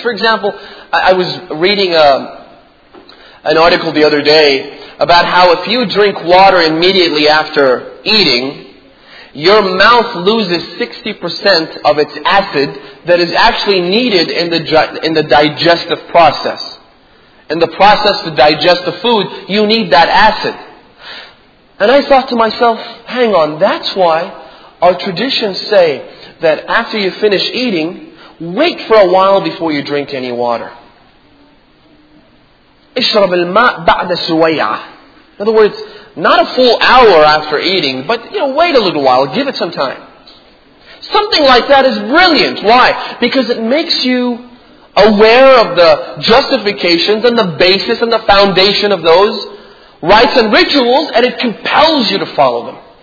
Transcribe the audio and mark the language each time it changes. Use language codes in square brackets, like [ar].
[en] For example, I was reading an article the other day about how if you drink water immediately after eating, your mouth loses 60% of its acid that is actually needed in the digestive process. In the process to digest the food, you need that acid. And I thought to myself, hang on, that's why our traditions say that after you finish eating, wait for a while before you drink any water. [ar] اشرب الماء بعد سويعة. [en] In other words, not a full hour after eating, but you know, wait a little while, give it some time. Something like that is brilliant. Why? Because it makes you aware of the justifications and the basis and the foundation of those rites and rituals, and it compels you to follow them.